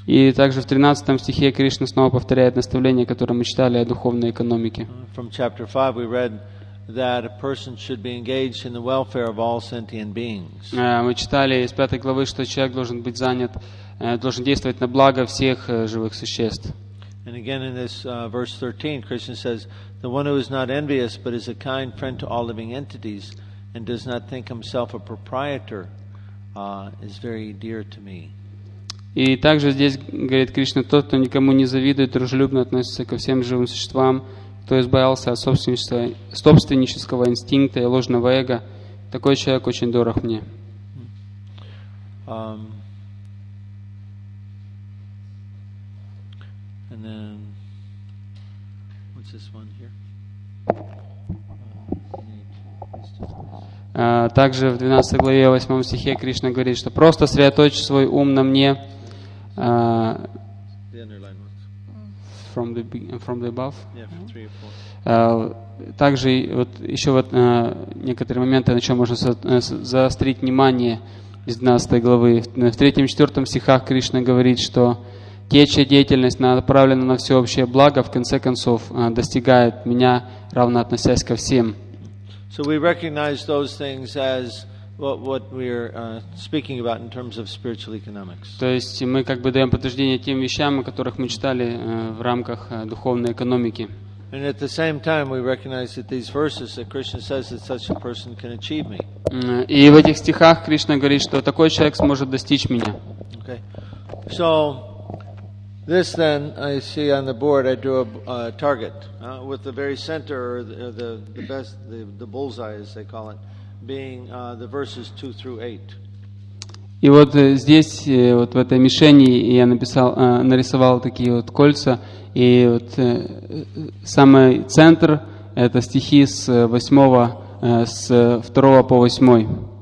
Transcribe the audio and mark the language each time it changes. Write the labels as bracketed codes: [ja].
[ru] И также в 13 стихе Кришна снова повторяет наставление, которое мы читали о духовной экономике. [en] From chapter 5 we read that a person should be engaged in the welfare of all sentient beings. [ru] Мы читали из 5 главы, что человек должен быть занят, должен действовать на благо всех живых существ. [en] And again in this verse 13 Krishna says the one who is not envious but is a kind friend to all living entities and does not think himself a proprietor is very dear to me. [ru] И также здесь говорит Кришна, тот, кто никому не завидует, дружелюбно относится ко всем живым существам, кто избавился от собственнического инстинкта и ложного эго, такой человек очень дорог мне. [en] And then, what's this one here? [ru] Также в 12 главе 8 стихе Кришна говорит, что просто сосредоточь свой ум на мне. Также вот еще вот некоторые моменты, на чем можно заострить внимание из 12 главы. В 3-4 стихах Кришна говорит, что те, чья деятельность направлена на всеобщее благо, в конце концов, достигает меня, равно относясь ко всем. [en] So we recognize those things as what we're speaking about in terms of spiritual economics. [ru] То есть мы как бы даем подтверждение тем вещам, о которых мы читали в рамках духовной экономики. [en] And at the same time, we recognize that these verses that Krishna says that such a person can achieve me. [ru] И в этих стихах Кришна говорит, что такой человек сможет достичь меня. [en] Okay. So this then I see on the board I drew a target with the very center or the best the bullseye as they call it being the verses 2 through 8. [ru] И вот здесь вот в этой мишени я написал нарисовал такие вот кольца и вот самый центр это стихи с 8 с 2 по 8.